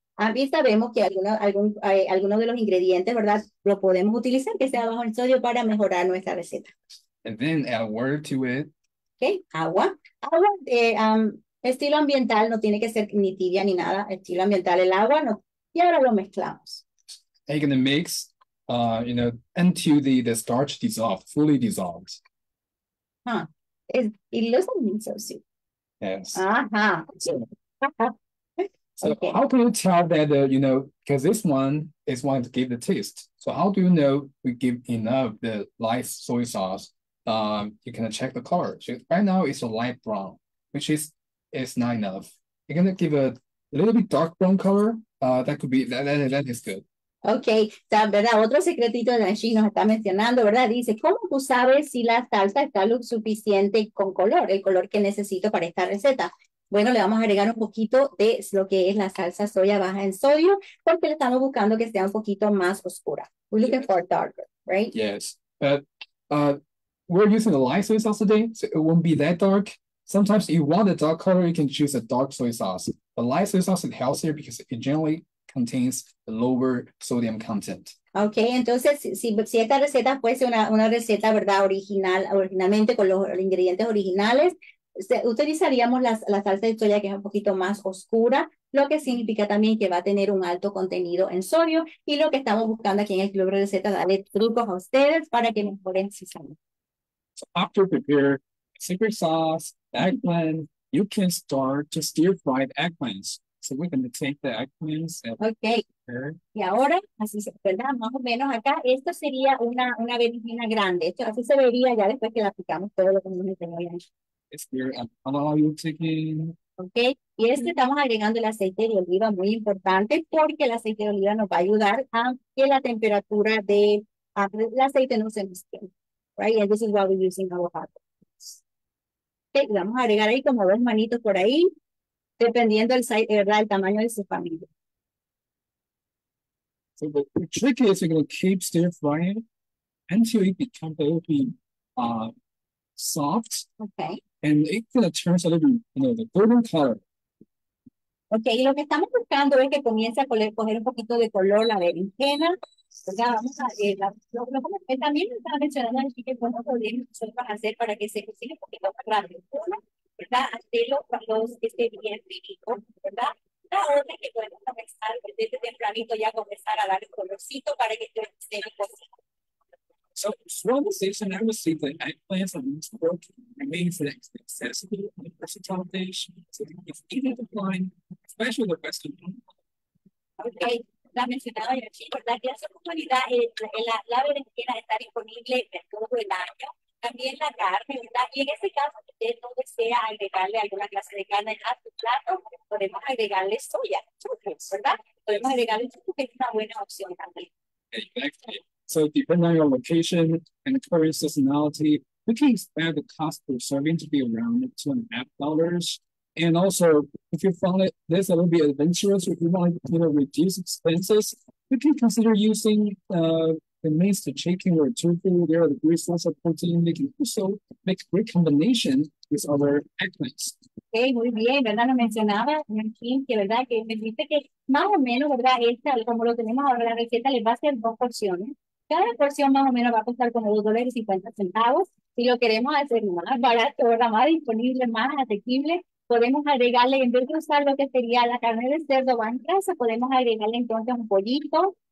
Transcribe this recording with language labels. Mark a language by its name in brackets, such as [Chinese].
[Spanish] A mí sabemos que algunos de los ingredientes, ¿verdad?, lo podemos utilizar que sea bajo en sodio para mejorar nuestra receta. [English] And then add water to it. [Spanish] Ok, agua. Agua de estilo ambiental, no tiene que ser ni tibia ni nada. Estilo ambiental, el agua, no. Y ahora lo mezclamos. [English] And you're gonna mix, until the starch dissolves, fully dissolves. Huh. It looks so sweet. Yes. Aha. So Okay. how can you tell that, because this one is one to give the taste. So how do you know we give enough the light soy sauce? You can check the color. So right now it's a light brown, which is not enough. You're gonna give a little bit dark brown color. That could be that is good. [Spanish] Okay, ¿verdad? Otro secretito de Nashi nos está mencionando, ¿verdad? Dice, ¿cómo tú sabes si la salsa está lo suficiente con color, el color que necesito para esta receta? Bueno, le vamos a agregar un poquito de lo que es la salsa soya baja en sodio, porque le estamos buscando que sea un poquito más oscura. [English] We're looking for darker, right? Yes, but we're using the light soy sauce today, so it won't be that dark. Sometimes you want a dark color, you can choose a dark soy sauce. But light soy sauce is healthier because it generally contains lower sodium content. [Spanish] Okay, entonces si esta receta fuese una receta, ¿verdad? Originalmente con los ingredientes originales, utilizaríamos la salsa de soya que es un poquito más oscura, lo que significa también que va a tener un alto contenido en sodio y lo que estamos buscando aquí en el Club de Recetas, darle trucos a ustedes para que mejoren su salud. [English] So after prepare secret sauce, eggplant, you can start to stir fry the eggplants. So we're going to take the eggplants Okay. and [Spanish] Y ahora, así se ve, ¿verdad? Más o menos acá, esto sería una berenjena grande. Esto así se vería ya después que la picamos todo lo que hemos tenido ya. [English] prepare. How you taking? [Spanish] Ok, y estamos agregando el aceite de oliva, muy importante, porque el aceite de oliva nos va a ayudar a que la temperatura del de aceite no se mezcle. Right? [English] And this is why we're using avocado. [Spanish] Ok, vamos a agregar ahí como dos manitos por ahí, dependiendo el tamaño de su familia. [English] So the trick is you're going to keep stir frying until it becomes a little bit soft Okay. and it kind of turns a little bit, the golden color. [Spanish] Okay, y lo que estamos buscando es que comience a coger un poquito de color la berenjena. También me estaba mencionando aquí que cuando podemos nosotros hacer para que se cocine un poquito más rápido. Una, ¿verdad? Hacerlo cuando esté bien frito, ¿verdad? La otra que podemos comenzar desde tempranito ya comenzar a dar colorcito para que esté bien. [English] So, throughout the season, I was seeing that eggplants are most important, mainly for the accessibility and versatility. So, it's easy to find, especially the Western one. [Spanish] Okay. La mencionaba yo, sí, ¿verdad? Que su comunidad, la berenjena está disponible todo el año, también la carne, ¿verdad? Y en ese caso, si usted no desea agregarle alguna clase de carne a su plato, podemos agregarle soya, ¿verdad? Podemos agregarle choclo, que es una buena opción también. [English] Exactly. So, depending on your location and current seasonality, we can expect the cost per serving to be around $2.50. And also, if you found it this a little bit adventurous, or if you want to reduce expenses, you can consider using the minced chicken or tofu. They are a great source of protein. They can also make great combination with other eggplants. [Spanish] Okay, muy bien, ¿verdad? Lo mencionaba, que, ¿verdad? Que me dijiste que más o menos, ¿verdad? Esta, como lo tenemos ahora, la receta les va a ser dos porciones. Cada porción más o menos va a costar como $2.50. Si lo queremos hacer más barato, ¿verdad? Más disponible, más asequible, podemos agregarle, en vez de usar lo que sería la carne de cerdo o en casa, podemos agregarle entonces un pollito.